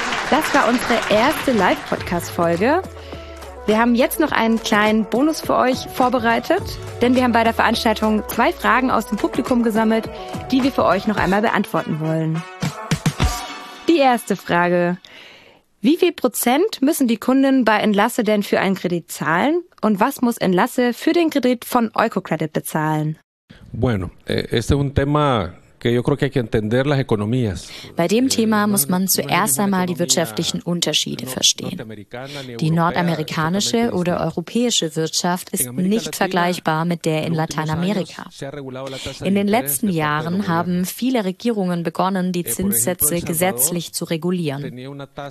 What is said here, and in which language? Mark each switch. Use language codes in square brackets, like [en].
[de] Das war unsere erste Live-Podcast-Folge. Wir haben jetzt noch einen kleinen Bonus für euch vorbereitet, denn wir haben bei der Veranstaltung zwei Fragen aus dem Publikum gesammelt, die wir für euch noch einmal beantworten wollen. Die erste Frage: Wie viel Prozent müssen die Kunden bei Enlace denn für einen Kredit zahlen? Und was muss Enlace für den Kredit von Oikocredit bezahlen? [es] Bueno, este es un tema que yo creo que hay que entender las economías. [de] Bei dem Thema muss man zuerst einmal die wirtschaftlichen Unterschiede verstehen. Die nordamerikanische oder europäische Wirtschaft ist nicht vergleichbar mit der in Lateinamerika. In den letzten Jahren haben viele Regierungen begonnen, die Zinssätze gesetzlich zu regulieren.